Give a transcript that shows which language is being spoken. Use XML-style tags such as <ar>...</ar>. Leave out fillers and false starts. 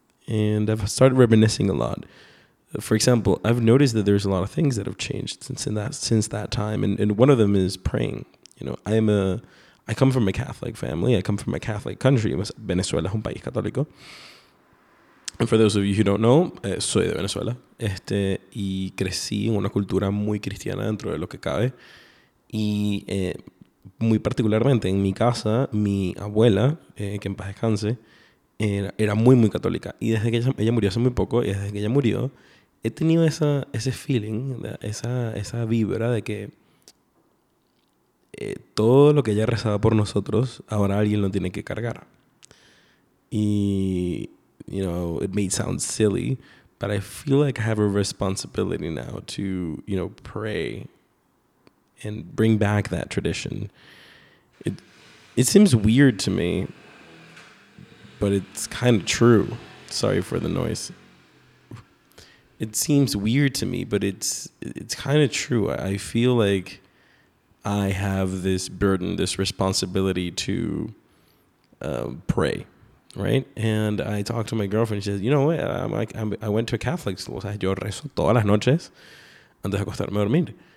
<en>And I've started reminiscing a lot. For example, I've noticed that there's a lot of things that have changed since that time. And one of them is praying. You know, I come from a Catholic family. I come from a Catholic country.</en> <es>Venezuela es un país católico.</es> <en>And for those of you who don't know,</en> <es>soy de Venezuela. Y crecí en una cultura muy cristiana dentro de lo que cabe. Y muy particularmente en mi casa, mi abuela, que en paz descanse, era muy, muy católica. Y desde que ella murió hace muy poco, y desde que ella murió, he tenido ese feeling, esa vibra de que todo lo que ella rezaba por nosotros, ahora alguien lo tiene que cargar. Y,</es> <en>you know, it may sound silly, but I feel like I have a responsibility now to, you know, pray and bring back that tradition. It seems weird to me, but it's kind of true. Sorry for the noise. It seems weird to me, but it's kind of true. I feel like I have this burden, this responsibility to pray. Right, and I talked to my girlfriend. She says, "You know what? I went to a Catholic school.</en> <es>O sea, yo rezo todas las noches antes de acostarme a dormir.</es>